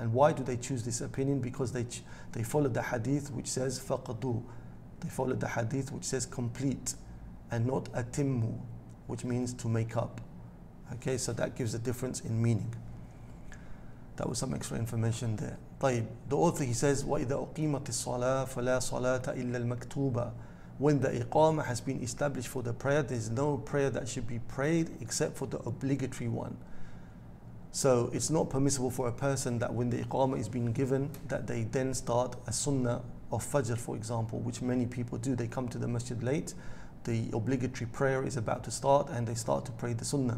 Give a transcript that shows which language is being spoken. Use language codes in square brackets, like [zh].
[en] And why do they choose this opinion? Because they follow the hadith which says faqadu, they follow the hadith which says complete, and not atimmu, which means to make up. Okay, so that gives a difference in meaning. That was some extra information there. [ar] طيب, [en] the author, he says, [ar] وَإِذَا أُقِيمَتِ الصَّلَاةِ فَلَا صَلَاةَ إِلَّا الْمَكْتُوبَةِ. [en] When the iqama has been established for the prayer, there's no prayer that should be prayed except for the obligatory one. So it's not permissible for a person that when the iqama is being given, that they then start a sunnah of fajr, for example, which many people do. They come to the masjid late, the obligatory prayer is about to start, and they start to pray the sunnah.